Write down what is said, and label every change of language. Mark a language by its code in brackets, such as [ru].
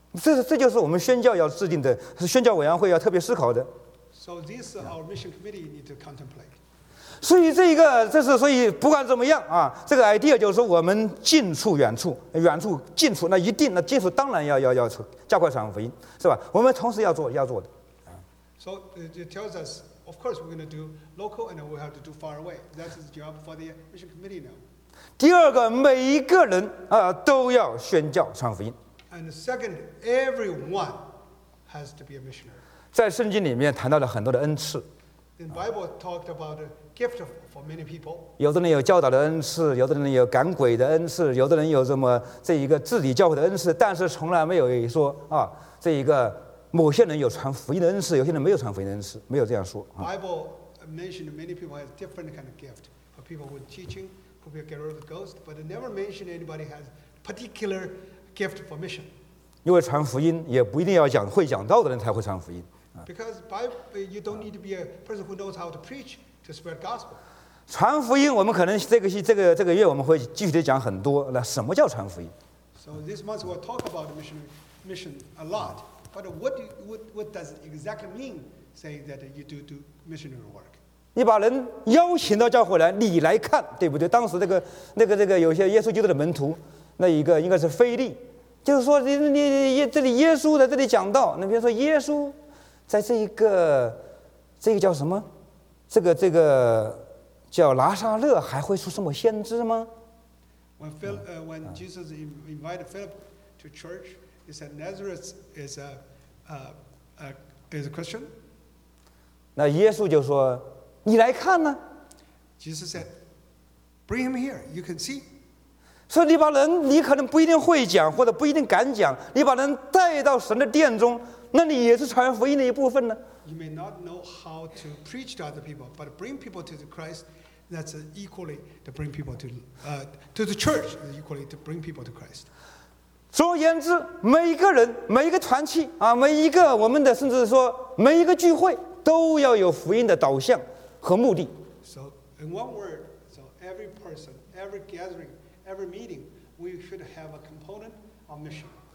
[zh] 这就是我们宣教要制定的，是宣教委员会要特别思考的。 [en] So this our mission committee need to contemplate. [zh] 所以这一个，这是所以不管怎么样啊，这个 idea 就是我们近处、远处、远处、近处，那一定，那近处当然要加快传福音，是吧？我们同时要做的。 [en] So it tells us, of course, we're going to do local, and we have to do far away. That's the job for the mission committee now. [zh] 第二个，每一个人都要宣教传福音。 [en] And second, everyone has to be a missionary. [zh] 在圣经里面谈到了很多的恩赐。 [en] In Bible talked about a gift for many people. [zh] 有的人有教导的恩赐，有的人有赶鬼的恩赐，有的人有什么这一个治理教会的恩赐，但是从来没有说啊这一个。某些人有传福音的恩赐，有些人没有传福音的恩赐，没有这样说。 [en] Bible mentioned many people have different kind of gift. For people who are teaching, for people who get rid of the ghost, but it never mentioned anybody has particular gift for mission. [zh] 因为传福音也不一定要会讲道的人才会传福音。 [en] Because Bible, you don't need to be a person who knows how to preach to spread gospel. [zh] 传福音，我们可能这个月我们会继续的讲很多。那什么叫传福音 [en] ？So this month we'll talk about mission a lot. But what does it exactly mean? Say that you do missionary work. [zh] 你把人邀请到教会来，你来看，对不对？当时那个有些耶稣基督的门徒，那一个应该是腓力，就是说你这里耶稣在这里讲道，那比如说耶稣在这个叫什么？这个叫拿撒勒，还会出什么先知吗 [en] ？When Jesus invited Philip to church. He said Nazareth is a Christian. [zh] 那耶稣就说，你来看呢。 [en] Jesus said, "Bring him here. You can see." [zh] 所以你把人，你可能不一定会讲，或者不一定敢讲，你把人带到神的殿中，那你也是传福音的一部分呢。 [en] You may not know how to preach to other people, but bring people to the Christ. That's equally to bring people to the church. Equally to bring people to Christ. [zh] 总而言之，每一个人、每一个团契啊，每一个我们的，甚至说每一个聚会，都要有福音的导向和目的。 [en] So in one word, so every person, every gathering, every meeting, we should have a component of mission.